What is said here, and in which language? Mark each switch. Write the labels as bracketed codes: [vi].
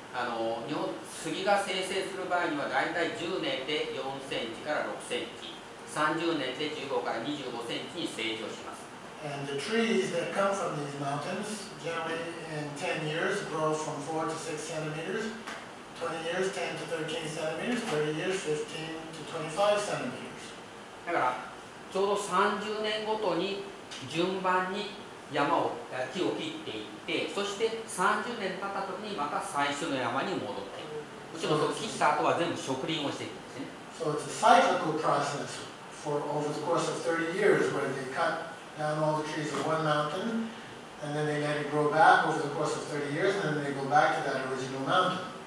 [ja] 日本杉が生成する場合には大体10年で4センチから6センチ、30年で15から25センチに成長します。 [en] And the trees that come from these mountains generally in 10 years grow from 4 to 6 centimeters, 20 years 10 to 13 centimeters, 30 years 15 to 25 centimeters. [ja] だからちょうど30年ごとに順番に山を木を切っていって、そして30年経った時にまた最初の山に戻っていく。もちろんその切った後は全部植林をしていくんですね。 [en] So it's a cyclical process for over the course of 30 years where they cut down all the trees of one mountain And then they let it grow back over the course of 30 years, and then they go back to that original mountain.